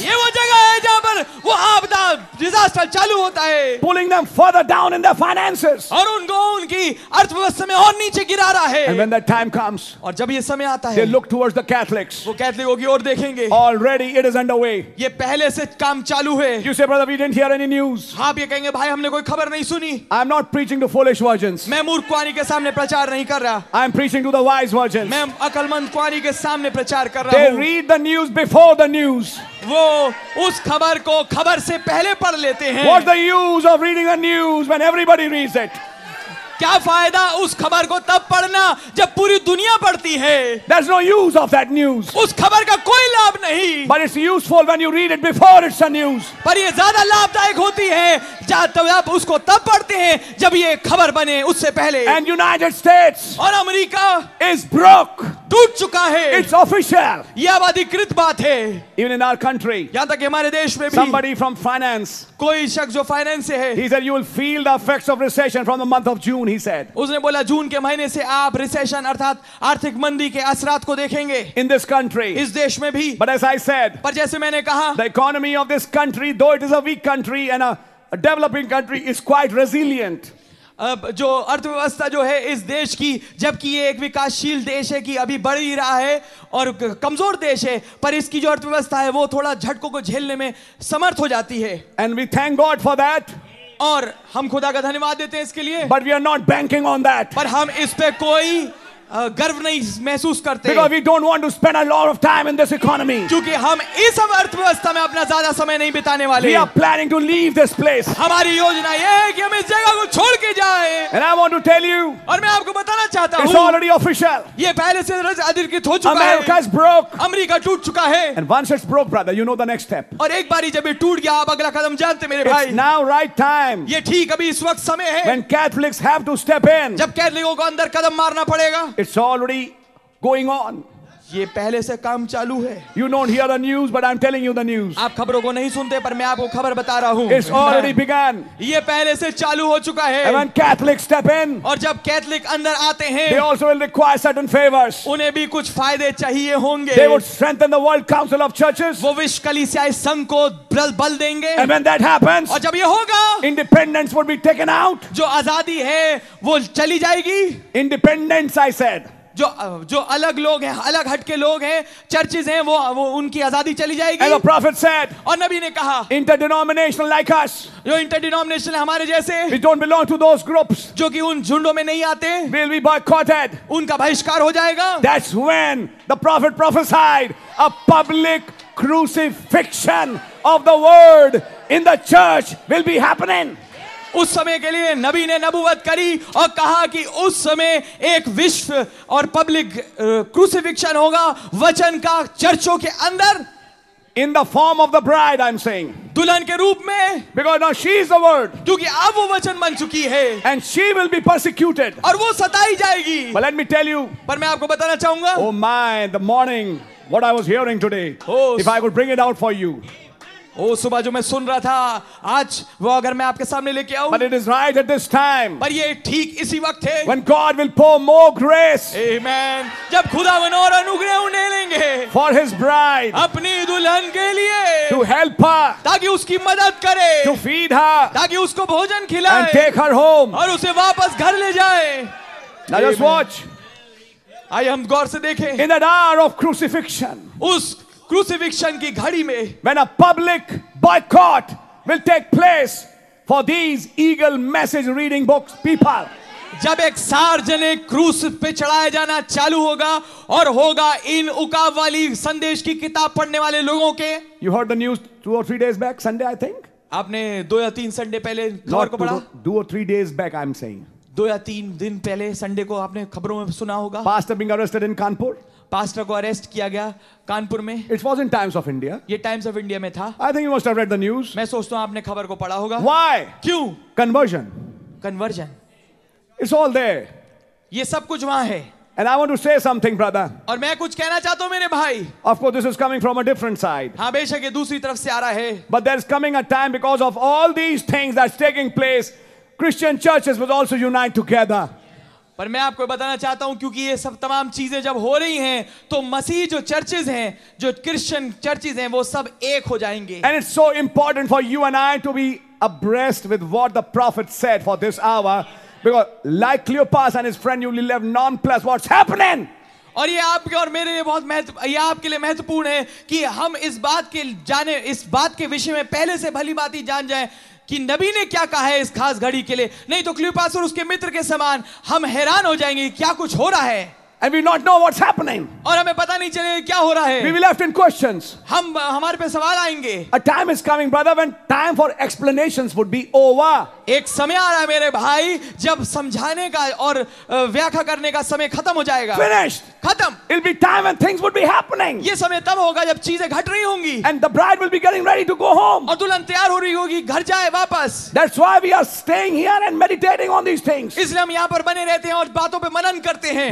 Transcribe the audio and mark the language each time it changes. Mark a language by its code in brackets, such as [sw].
[hi] ये वो जगह है जहां पर वो आपदा डिजास्टर चालू होता है [en] pulling them further down in their finances [hi] और उनको उनकी अर्थव्यवस्था में और नीचे गिरा रहा है [en] and when that time comes [hi] और जब ये समय आता है [en] they look towards the Catholics [hi] वो कैथोलिकों की ओर देखेंगे [en] already it is underway [hi] ये पहले से काम चालू है [en] you say brother we didn't hear any news [hi] आप ये कहेंगे भाई हमने कोई खबर नहीं सुनी [en] I'm not preaching to foolish virgins [hi] मैं मूर्ख कुआरी के सामने प्रचार नहीं कर रहा [en] I am preaching to the wise virgins [hi] मैं अकलमंद कुआरी के सामने प्रचार कर रहा हूं [en] They read the news before the news [hi] वो उस खबर को खबर से पहले पढ़ लेते हैं [en] What's the use of reading the news when everybody reads it [hi] क्या फायदा उस खबर को तब पढ़ना जब पूरी दुनिया पढ़ती है [en] There's no use of that news [hi] उस खबर का कोई लाभ नहीं [en] But it's useful when you read it before it's a news [hi] पर ये ज्यादा लाभदायक होती है जब आप उसको तब पढ़ते हैं जब ये खबर बने उससे पहले [en] And United States [hi] और अमेरिका [en] is broke [hi] टूट चुका है [en] It's official [hi] ये अधिकृत बात है [en] Even in our country [hi] यहां तक हमारे देश में भी [en] Somebody from finance [hi] कोई शख्स जो फाइनेंस से है [en] He said you will feel the effects of recession from the month of June he said [hi] उसने बोला जून के महीने से आप रिसेशन अर्थात आर्थिक मंदी के असरात को देखेंगे [en] In this country [hi] इस देश में भी [en] But as I said [hi] पर जैसे मैंने कहा [en] The economy of this country though it is a weak country and a developing country is quite resilient [hi] जो अर्थव्यवस्था जो है इस देश की जबकि ये एक विकासशील देश है कि अभी बढ़ ही रहा है और कमजोर देश है पर इसकी जो अर्थव्यवस्था है वो थोड़ा झटकों को झेलने में समर्थ हो जाती है [en] and we thank God for that [hi] और हम खुदा का धन्यवाद देते हैं इसके लिए [en] but we are not banking on that [hi] पर हम इस पे कोई गर्व नहीं महसूस करते [en] Because we don't want to spend a lot of time in this economy. [hi] क्योंकि हम इस अर्थव्यवस्था में अपना ज्यादा समय नहीं बिताने वाले [en] We are planning to leave this place. [hi] हमारी योजना यह है कि हम इस जगह को छोड़ के जाए [en] And I want to tell you, [hi] और मैं आपको बताना चाहता हूँ [en] It's already official. [hi] ये पहले से अधिकृत हो चुका [en] America is broke. [hi] अमेरिका टूट चुका है [en] And once it's broke, brother, you know the next step. [hi] और एक बार जब ये टूट गया आप अगला कदम जानते मेरे भाई [en] It's now right time. [hi] ये ठीक अभी इस वक्त समय है [en] When Catholics have to step in. [hi] जब कैथलिकों को अंदर कदम मारना पड़ेगा [en] It's already going on. [hi] ये पहले से काम चालू है. [en] You don't hear the news, but I'm telling you the news. [hi] आप खबरों को नहीं सुनते, पर मैं आपको खबर बता रहा हूँ. [en] It's already begun. [hi] ये पहले से चालू हो चुका है. [en] And when Catholics step in, [hi] और जब कैथलिक अंदर आते हैं, [en] they also will require certain favors. [hi] उन्हें भी कुछ फायदे चाहिए होंगे. [en] They would strengthen the World Council of Churches. [hi] वो विश्व कलीसियाई संघ को बल देंगे. [en] And when that happens, [hi] और जब ये होगा, [en] independence would be taken out. [hi] जो आजादी है, वो चली जाएगी. [en] Independence, I said. [hi] जो जो अलग लोग हैं अलग हटके लोग हैं चर्चेज हैं वो उनकी आजादी चली जाएगी [en] And the prophet said, [hi] और नबी ने कहा [en] interdenominational like us [hi] जो इंटर डिनोमिनेशनल हमारे जैसे [en] we don't belong to those groups, [hi] जो कि उन झुंडों में नहीं आते [en] will be boycotted. [hi] उनका बहिष्कार हो जाएगा [en] That's when the prophet prophesied a public crucifixion of the word in the church will be happening [hi] उस समय के लिए नबी ने नबुवत करी और कहा कि उस समय एक विश्व और पब्लिक क्रूसिफिक्शन होगा वचन का चर्चों के अंदर [en] in the form of the bride I am saying [hi] दुल्हन के रूप में [en] because now she is the word [hi] क्योंकि अब वो वचन बन चुकी है [en] and she will be persecuted [hi] और वो सताई जाएगी [en] But let me tell you, [hi] पर मैं आपको बताना चाहूंगा [en] Oh my, the morning, what I was hearing today, if I could bring it out for you. [hi] ओ सुबह जो मैं सुन रहा था आज वो अगर मैं आपके सामने लेके आऊं [en] but it is right at this time [hi] पर ये ठीक इसी वक्त है [en] when God will pour more grace [hi] आमेन जब खुदा और अनुग्रह उन्हें लेंगे [en] for his bride [hi] अपनी दुल्हन के लिए [en] to help her [hi] ताकि उसकी मदद करे [en] to feed her [hi] ताकि उसको भोजन खिलाए [en] and take her home [hi] और उसे वापस घर ले जाए [en] now just watch [hi] आइए हम गौर से देखें. [en] In that hour of crucifixion, [hi] उस crucifixion की घड़ी में, [en] when a public boycott will take place for these eagle message reading books people. [hi] जब एक सार्वजनिक क्रूस पे चढ़ाया जाना चालू होगा और होगा इन उकाब वाली संदेश की किताब पढ़ने वाले लोगों के. [en] You heard the news 2 or 3 days back, Sunday, I think. [hi] आपने 2 या 3 संडे पहले खबर को पढ़ा? [en] 2 or 3 days back, I'm saying. [hi] 2 या 3 दिन पहले संडे को आपने खबरों में सुना होगा. [en] Pastor being arrested in Kanpur. [hi] Pastor को अरेस्ट किया गया कानपुर में. [en] It was in Times of India. [hi] ये Times of India में था. [en] I think you must have read the news. [hi] मैं सोचता हूँ आपने खबर को पढ़ा होगा. [en] Why? [hi] क्यों? [en] Conversion. Conversion. It's all there. [hi] ये सब कुछ वहाँ है. [en] And I want to say something, brother. [hi] और मैं कुछ कहना चाहता हूँ मेरे भाई. [en] Of course, this is coming from a different side. [hi] हाँ, बेशक ये दूसरी तरफ से आ रहा है. [en] But there is coming a time because of all these things that's taking place, Christian churches will also unite together. [hi] पर मैं आपको बताना चाहता हूं क्योंकि ये सब तमाम चीजें जब हो रही हैं तो मसीह जो चर्चेज हैं, जो क्रिश्चियन चर्चेज हैं, वो सब एक हो जाएंगे. [en] And it's so important for you and I to be abreast with what the prophet said for this hour because like Cleopas and his friend you will live nonplus what's happening. [hi] और ये आपके और मेरे लिए बहुत ये आपके लिए महत्वपूर्ण है कि हम इस बात के जाने इस बात के विषय में पहले से भली बात ही जान जाए कि नबी ने क्या कहा है इस खास घड़ी के लिए. नहीं तो क्लियोपास और उसके मित्र के समान हम हैरान हो जाएंगे क्या कुछ हो रहा है. [en] And we not know what's happening. [hi] और हमें पता नहीं चलेगा क्या हो रहा है. [en] We will left in questions. [hi] हम हमारे पे सवाल आएंगे. [en] A time is coming, brother, when time for explanations would be over. [hi] एक समय आ रहा है मेरे भाई जब समझाने का और व्याख्या करने का समय खत्म हो जाएगा. [en] Finished. [hi] खत्म. [en] It'll be time when things would be happening. [hi] ये समय तब होगा जब चीजें घट रही होंगी. [en] And the bride will be getting ready to go home. [hi] और दुल्हन तैयार हो रही होगी घर जाए वापस. [en] That's why we are staying here and meditating on these things. [hi] इसलिए हम यहाँ पर बने रहते हैं और बातों पे मनन करते हैं.